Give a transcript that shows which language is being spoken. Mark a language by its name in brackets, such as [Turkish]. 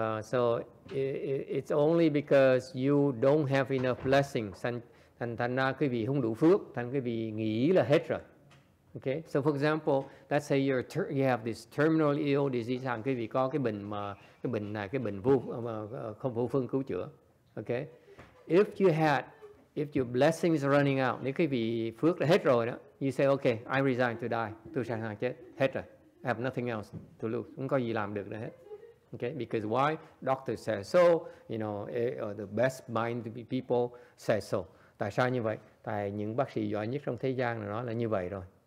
[English] So it's only because you don't have enough blessings. [Vietnamese] Thành ra quý vị không đủ phước, thành quý vị nghĩ là hết rồi. [English] Okay. So for example, let's say you have this terminal ill disease. [Vietnamese] Thành quý vị có cái bệnh vô không vô phương cứu chữa. Okay. [English] If your blessing is running out, [Vietnamese] nếu quý vị phước là hết rồi đó, [English] you say, okay, I resign to die. [Vietnamese] Tôi sẵn sàng chết, hết rồi. [English] I have nothing else to lose. [Vietnamese] Không có gì làm được nữa hết. [English] Okay, because why? Doctor says so. You know, the best mind people say so. [Vietnamese] Tại sao như vậy? Tại những bác sĩ giỏi nhất trong thế gian là nói là như vậy rồi.